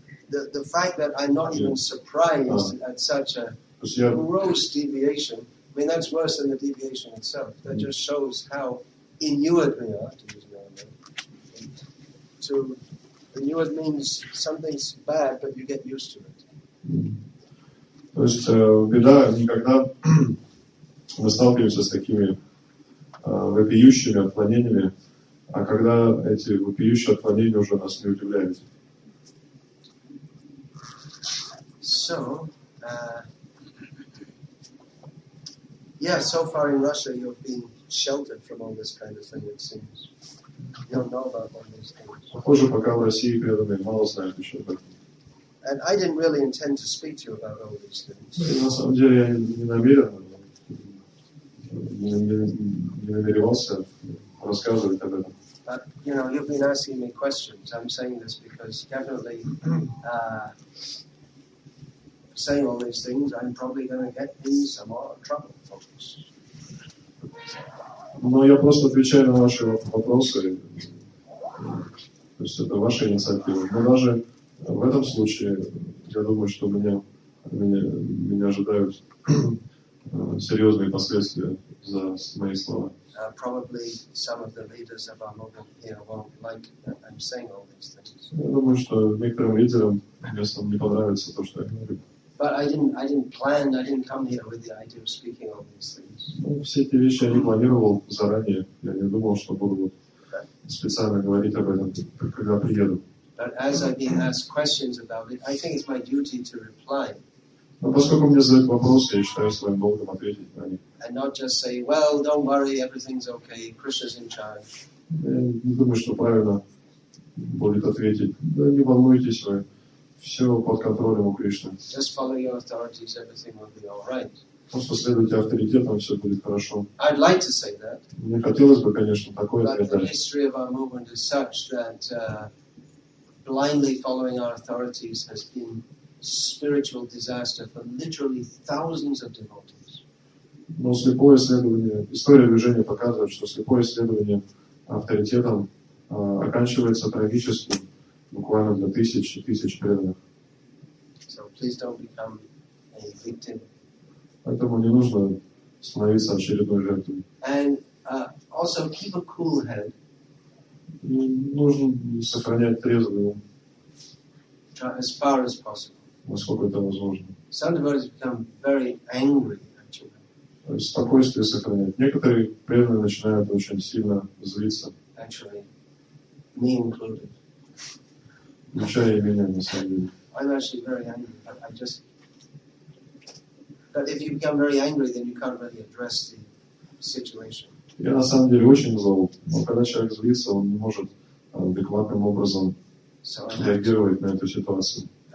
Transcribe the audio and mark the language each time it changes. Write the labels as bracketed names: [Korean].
[English] The fact that I'm not even surprised at such a gross deviation, I mean, that's worse than the deviation itself. That just shows how inured we are, to use another word. So, inured means something's bad, but you get used to it. [Russian] То есть беда никогда мы сталкиваемся с такими вопиющими отклонениями, а когда эти вопиющие отклонения уже нас не удивляют. [English] So, yeah, so far in Russia you've been sheltered from all this kind of thing, it seems. You don't know about all these things. [Russian] Похоже, пока в России преданные мало знают еще об этом. [English] And I didn't really intend to speak to you about all these things. [Russian] На самом деле я не намеревался рассказывать об этом. [English] But you know, you've been asking me questions. I'm saying this because definitely saying all these things, I'm probably going to get in some more trouble, folks. [Russian] Но я просто отвечаю на ваши вопросы. То есть это ваша инициатива. Но даже в этом случае, я думаю, что меня ожидают серьезные последствия за мои слова. [English] Probably some of the leaders of our movement here won't like that I'm saying all these things. [Russian] Я думаю, что некоторым лидерам местным не понравится то, что я говорю. [English] But I didn't plan, I didn't come here with the idea of speaking all these things. [Russian] Все эти вещи я не планировал заранее. Я не думал, что буду специально говорить об этом, когда приеду. [English] But as I've been asked questions about it, I think it's my duty to reply. [Russian] Но поскольку мне задают вопросы, я считаю своим долгом ответить на них. [English] And not just say, well, don't worry, everything's okay, Krishna's in charge. [Russian] Я не думаю, что правильно будет ответить. Да не волнуйтесь вы, все под контролем у Кришны. [English] Just follow your authorities, everything will be all right. [Russian] Просто следуйте авторитетам, все будет хорошо. [English] I'd like to say that. [Russian] Мне хотелось бы, конечно, такое ответить. [English] But the history of our movement is such that blindly following our authorities has been spiritual disaster for literally thousands of devotees. [Russian] Но слепое следование, история движения показывает, что слепое следование авторитетам оканчивается трагически буквально для тысяч и тысяч преданных. [English] So please don't become a victim. [Russian] Поэтому не нужно становиться очередной жертвой. [English] And also keep a cool head. [Russian] Нужно сохранять трезвый ум. [English] As far as possible. [Russian] Насколько это возможно. [English] Some devotees become very angry, actually. [Russian] Спокойствие сохранять. Некоторые преданные начинают очень сильно злиться. [English] Actually, me included. [Russian] Включая меня, на самом деле. [English] I'm actually very angry, but I just. But if you become very angry, then you can't really address the situation. [Russian] Я на самом деле очень зол, но когда человек злится, он не может адекватным образом реагировать на эту ситуацию.